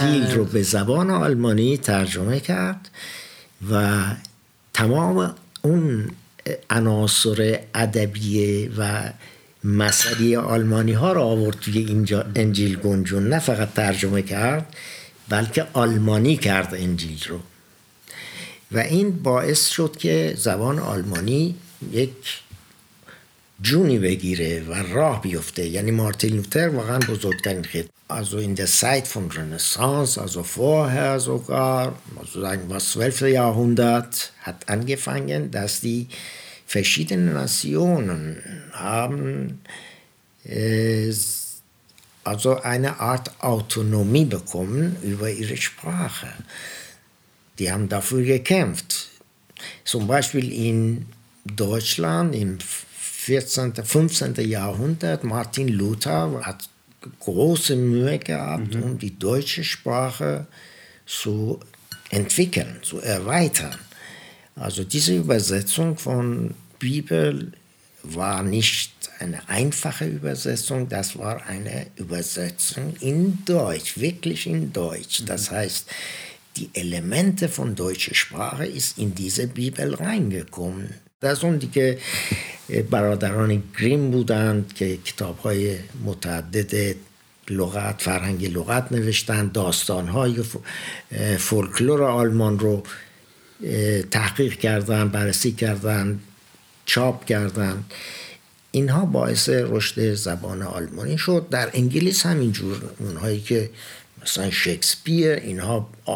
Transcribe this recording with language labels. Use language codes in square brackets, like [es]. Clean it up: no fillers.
[fa] انجیل رو به زبان آلمانی ترجمه کرد و تمام اون عناصر ادبی و مسئله آلمانی ها رو آورد توی اینجا انجیل گنجون، نه فقط ترجمه کرد بلکه آلمانی کرد انجیل رو و این باعث شد که زبان آلمانی یک جونی بگیره و راه بیفته. یعنی مارتین لوتر واقعا بزرگترین خدمت [de] Also in der Zeit von Renaissance, also vorher sogar, also sagen wir 12. Jahrhundert, hat angefangen, dass die verschiedenen Nationen haben also eine Art Autonomie bekommen über ihre Sprache. Die haben dafür gekämpft. Zum Beispiel in Deutschland im 14., 15. Jahrhundert, Martin Luther hat große Mühe gehabt, um die deutsche Sprache zu entwickeln, zu erweitern. Also diese Übersetzung von Bibel war nicht eine einfache Übersetzung, das war eine Übersetzung in Deutsch, wirklich in Deutsch. Das heißt, die Elemente von deutscher Sprache ist in diese Bibel reingekommen. Da sind die [fa] برادران گریم بودند که کتاب‌های متعدد لغت فرهنگ لغت نوشتند داستان‌های فولکلور آلمان رو تحقیق کردند بررسی کردند چاپ کردند اینها باعث رشد زبان آلمانی شد در انگلیس همینجور اونهایی که مثلا شکسپیر اینها